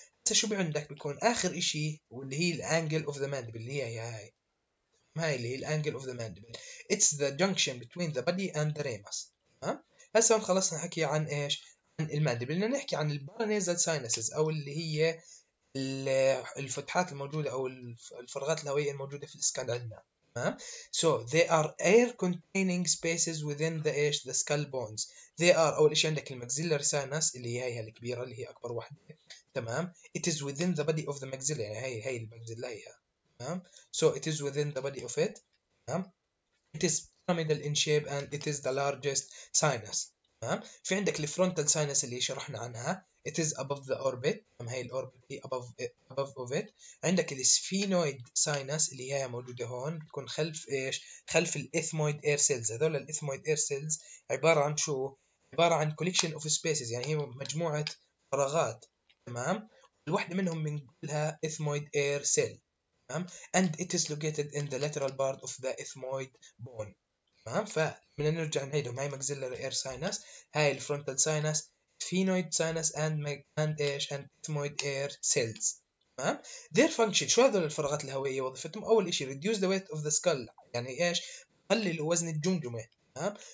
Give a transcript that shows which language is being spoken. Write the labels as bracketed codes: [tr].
[ar] هسه شو عندك؟ بيكون اخر شيء واللي هي الانجل اوف ذا ماندبل، اللي هي هاي، تمام، هاي اللي هي الانجل اوف ذا ماندبل، [en] it's the junction between the body and the ramus, [ar] تمام. هسه خلصنا حكي عن ايش؟ عن الماندبل. بدنا نحكي عن البارانيزال ساينسز، او اللي هي الفتحات الموجودة أو الفراغات الهوائية الموجودة في الإسكال عندنا، تمام. [en] So they are air containing spaces within the [ar] ايش؟ [en] the skull bones. They are، [ar] أول شيء عندك المكزيلر ساينس اللي هي هاي الكبيرة اللي هي أكبر واحدة، تمام. [en] It is within the body of the maxilla، [ar] يعني هاي المكزيلا هيها، تمام. [en] So it is within the body of it، [ar] تمام. [en] It is pyramidal in shape and it is the largest sinus، تمام. [ar] في عندك الفرونتال ساينس اللي شرحنا عنها، [en] it is above the orbit، [ar] تمام، هي الاوربت هي [en] above of it. [ar] عندك السفينويد ساينس اللي هي موجوده هون، بتكون خلف ايش؟ خلف الاثمويد اير سيلز. هذول الاثمويد اير سيلز عباره عن شو؟ عباره عن [en] collection of spaces, [ar] يعني هي مجموعه فراغات، تمام. الوحده منهم بنقولها اثمويد اير سيل، تمام. [en] and it is located in the lateral part of the ethmoid bone، [ar] تمام. فمن نرجع نعيدهم، هاي ماكسيلر اير ساينس، هاي الفرونتال ساينس، فينويد ساينس اند اند ايش؟ اند اثمويد اير سيلز، تمام. ذير فانكشن، شو هذول الفراغات الهوائيه وظيفتهم؟ اول شيء [en] reduce the weight of the skull, [ar] يعني ايش؟ قلل وزن الجمجمه، تمام.